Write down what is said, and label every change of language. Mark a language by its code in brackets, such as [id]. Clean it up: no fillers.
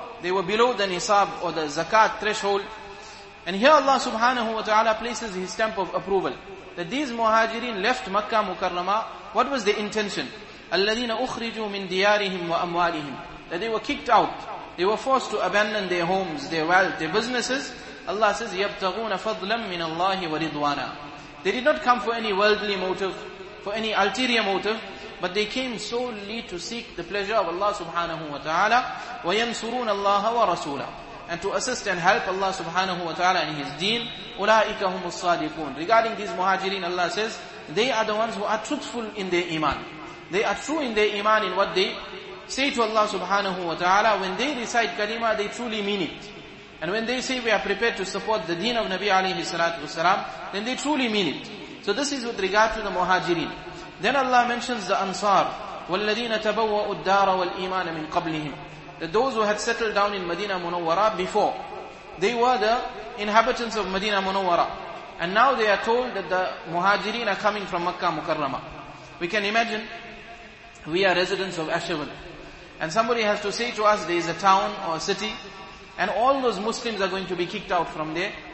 [en] They were below the nisab or the zakat threshold. And here Allah subhanahu wa ta'ala places his stamp of approval. That these muhajirin left Makkah Mukarramah. What was the intention? [ar] Alladhina ukhriju min diyarihim wa amwalihim. [en] That they were kicked out. They were forced to abandon their homes, their wealth, their businesses. Allah says, [ar] يَبْتَغُونَ فَضْلًا مِّنَ اللَّهِ وَرِضْوَانًا. [en] They did not come for any worldly motive, for any ulterior motive, but they came solely to seek the pleasure of Allah subhanahu wa ta'ala, [ar] وَيَنْصُرُونَ اللَّهَ وَرَسُولًا. [en] And to assist and help Allah subhanahu wa ta'ala in his deen, [ar] أُولَٰئِكَ هُمُ الصَّادِقُونَ. [en] Regarding these muhajirin, Allah says, they are the ones who are truthful in their iman. They are true in their iman in what they say to Allah subhanahu wa ta'ala. When they recite kalima, they truly mean it. And when they say we are prepared to support the deen of Nabi alayhi salatu wasalam, then they truly mean it. So this is with regard to the muhajirin. Then Allah mentions the ansar, [ar] وَالَّذِينَ تَبَوَّأُوا الدَّارَ وَالْإِيمَانَ مِنْ قَبْلِهِمْ. [en] That those who had settled down in Medina Munawwara before, they were the inhabitants of Medina Munawwara. And now they are told that the muhajirin are coming from Makkah Mukarramah. We can imagine, we are residents of Ashavan. And somebody has to say to us, there is a town or a city, and all those Muslims are going to be kicked out from there.